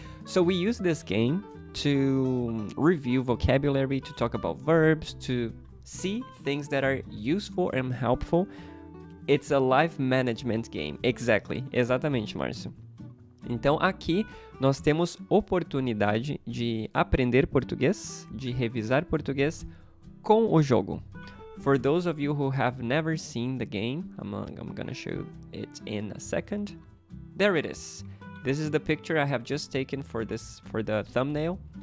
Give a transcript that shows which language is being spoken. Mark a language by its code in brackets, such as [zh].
[en] So we use this game to review vocabulary, to talk about verbs, to see things that are useful and helpful. It's a life management game. Exactly. [pt] Exatamente, Márcio. Então aqui nós temos oportunidade de aprender português, de revisar português com o jogo. [en] For those of you who have never seen the game, I'm gonna show it in a second. There it is. This is the picture I have just taken for the thumbnail.